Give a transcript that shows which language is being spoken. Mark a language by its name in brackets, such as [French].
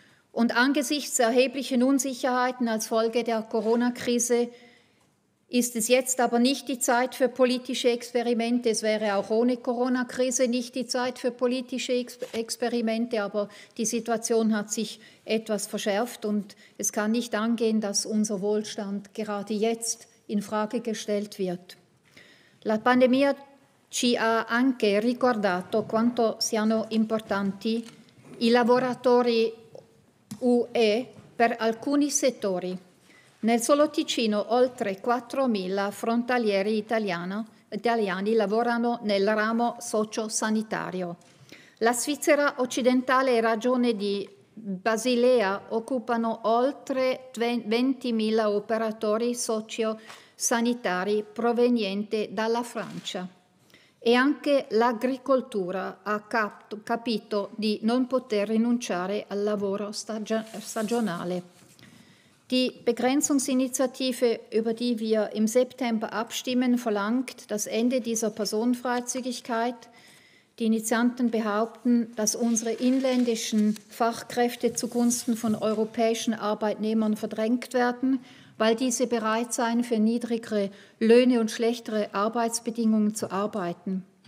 [German] Und angesichts erheblichen Unsicherheiten als Folge der Corona-Krise ist es jetzt aber nicht die Zeit für politische Experimente. Es wäre auch ohne Corona-Krise nicht die Zeit für politische Experimente, aber die Situation hat sich etwas verschärft und es kann nicht angehen, dass unser Wohlstand gerade jetzt in Frage gestellt wird. [Italian] La pandemia ci ha anche ricordato quanto siano importanti i lavoratori UE per alcuni settori. Nel solo Ticino oltre 4.000 frontalieri italiani lavorano nel ramo sociosanitario. La Svizzera occidentale e Regione di Basilea occupano oltre 20.000 operatori sociosanitari provenienti dalla Francia. E anche l'agricoltura ha capito di non poter rinunciare al lavoro stagionale. [German] Die Begrenzungsinitiative, über die wir im September abstimmen, verlangt das Ende dieser Personenfreizügigkeit. Die Initianten behaupten, dass unsere inländischen Fachkräfte zugunsten von europäischen Arbeitnehmern verdrängt werden, weil diese bereit seien, für niedrigere Löhne und schlechtere Arbeitsbedingungen zu arbeiten.